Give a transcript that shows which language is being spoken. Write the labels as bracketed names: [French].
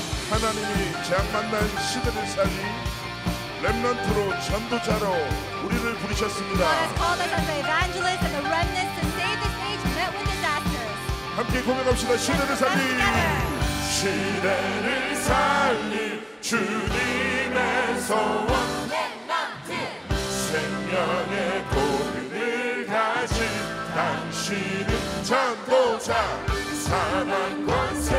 [Korean] 하나님이 재앙 만난 시대를 살리 렘넌트로 전도자로 우리를 부르셨습니다. [English] God has called us as evangelists and the remnants to save this age met with disasters. [Korean] 함께 고백합시다. 시대를 살리 시대를 살리 주님의 소원 렘넌트 생명의 고민을 가진 당신은 전도자 사망과